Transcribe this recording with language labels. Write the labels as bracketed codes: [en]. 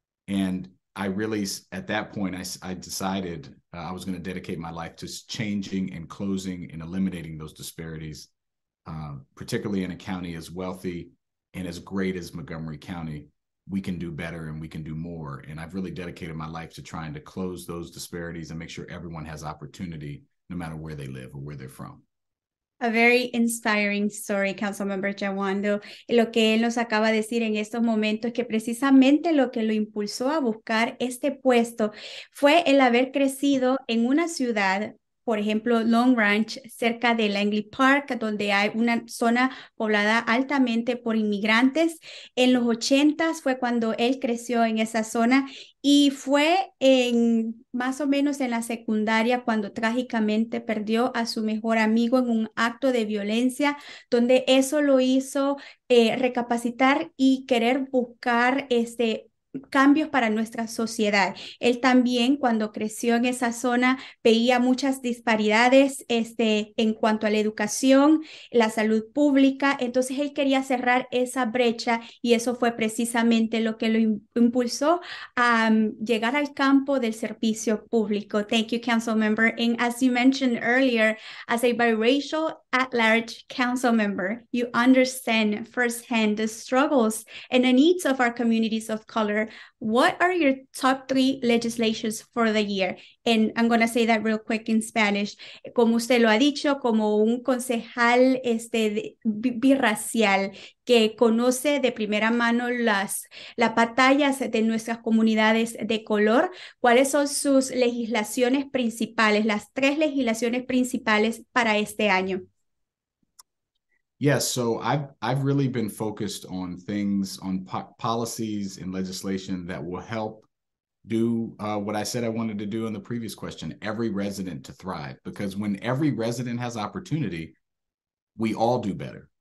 [en] And I really, at that point, I decided I was going to dedicate my life to changing and closing and eliminating those disparities, particularly in a county as wealthy and as great as Montgomery County. We can do better and we can do more. And I've really dedicated my life to trying to close those disparities and make sure everyone has opportunity, no matter where they live or where they're from. A very inspiring story, Councilmember Jawando. [es] Lo que él nos acaba de decir en estos momentos es que precisamente lo que lo impulsó a buscar este puesto fue el haber crecido en una ciudad, por ejemplo, Long Branch, cerca de Langley Park, donde hay una zona poblada altamente por inmigrantes. En los 80s fue cuando él creció en esa zona y fue en más o menos en la secundaria cuando trágicamente perdió a su mejor amigo en un acto de violencia, donde eso lo hizo recapacitar y querer buscar cambios para nuestra sociedad. Él también, cuando creció en esa zona, veía muchas disparidades, en cuanto a la educación, la salud pública. Entonces, él quería cerrar esa brecha y eso fue precisamente lo que lo impulsó a llegar al campo del servicio público. [en] Thank you, Council Member. And as you mentioned earlier, as a biracial at-large council member, you understand firsthand the struggles and the needs of our communities of color. What are your top three legislations for the year? And I'm going to say that real quick in Spanish. [es] Como usted lo ha dicho, como un concejal birracial que conoce de primera mano las batallas de nuestras comunidades de color, ¿cuáles son sus legislaciones principales, las tres legislaciones principales para este año? [en] Yes, so I've really been focused on things, on po policies and legislation that will help do what I said I wanted to do in the previous question, every resident to thrive, because when every resident has opportunity, we all do better.